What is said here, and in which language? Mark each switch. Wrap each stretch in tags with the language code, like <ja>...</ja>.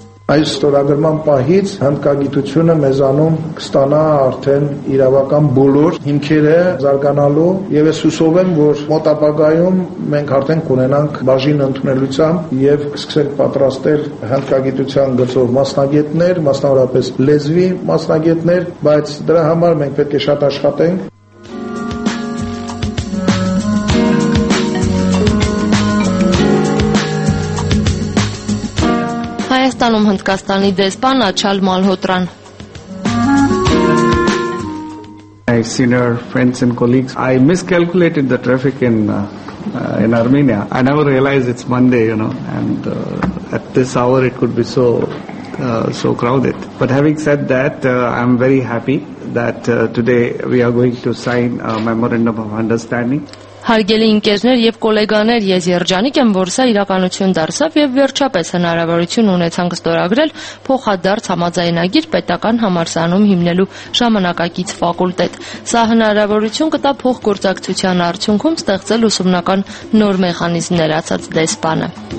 <hy>Այս ստորագրման պահից հնդկագիտությունը մեզանում կստանա արդեն իրավական բոլոր հիմքերը զարգանալու, եւ ես հուսով եմ, որ մոտ ապագայում մենք արդեն կունենանք բաժին ընդունելությամբ եւ կսկսենք պատրաստել հնդկագիտության գծով մասնագետներ, մասնավորապես լեզվի մասնագետներ, բայց դրա համար մենք պետք է շատ աշխատենք։ Հայաստանում Հնդկաստանի դեսպան Աչալ Մալհոտրան.</hy> <en>My senior friends and colleagues, I miscalculated the traffic in Armenia. I never realized it's Monday, you know, and at this hour it could be so crowded. But having said that, I'm very happy that today we are going to sign a memorandum of understanding.</en> <hy>Հարգելի ընկերներ եւ կոլեգաներ, ես երջանիկ եմ, որ սա իրականություն դարձավ եւ վերջապես հնարավորություն ունեցանք ստորագրել փոխադարձ համաձայնագիր պետական համալսարանում հիմնելու ժամանակակից ֆակուլտետ։ Սա հնարավորություն կտա փոխգործակցության արդյունքում ստեղծել ուսումնական նոր մեխանիզմներ, ասաց դեսպանը։</hy>